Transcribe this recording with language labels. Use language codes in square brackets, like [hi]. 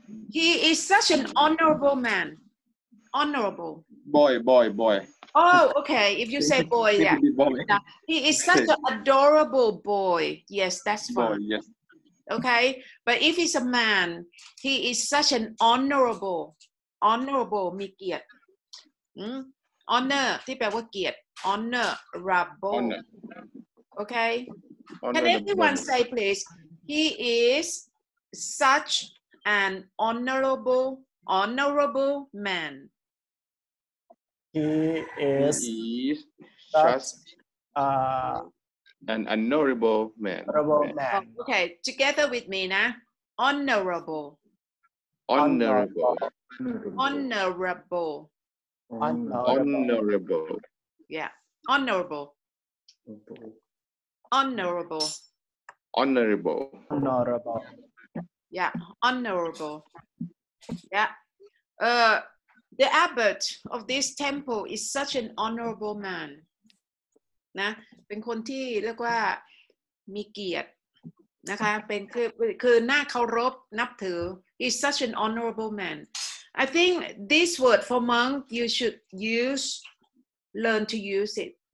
[en] He is such an honorable man. Honorable. Boy. Oh, okay. If you say boy, yeah. He is such an adorable boy. Yes, that's fine. Boy, yes. Okay. But if he's a man, he is such an honorable. Honorable. [th] มีเกียรติ [en] Honor. [th] ที่แปลว่าเกียรติ Honorable. [en] Okay. Can everyone say please? He is such an honorable man. He is such an honorable man. Okay, together with me now. Honorable. Honorable. Honorable. Honorable. Yeah, honorable. Honorable. Honorable. Honorable. Yeah, honorable. Yeah. The abbot of this temple is such an honorable man. [th] นะเป็นคนที่เรียกว่ามีเกียรตินะคะเป็นคือน่าเคารพนับถือ [en] is such an honorable man. I think this word for monk you should use, learn to use it.